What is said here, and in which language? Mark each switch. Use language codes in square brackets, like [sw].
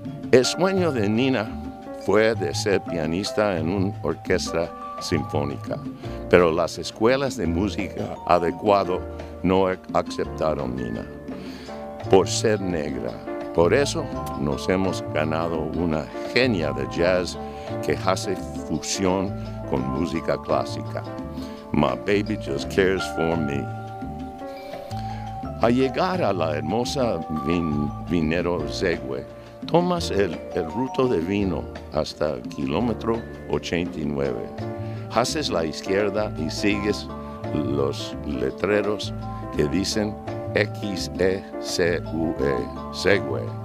[es] El sueño de Nina fue de ser pianista en una orquesta sinfónica, pero las escuelas de música adecuado no aceptaron a Nina por ser negra. Por eso nos hemos ganado una genia de jazz que hace fusión con música clásica. [en] My baby just cares for me. [es] Al llegar a la hermosa vinero Zegwe, tomas el ruto de vino hasta el kilómetro 89. Haces la izquierda y sigues los letreros que dicen XECUE, Zegwe.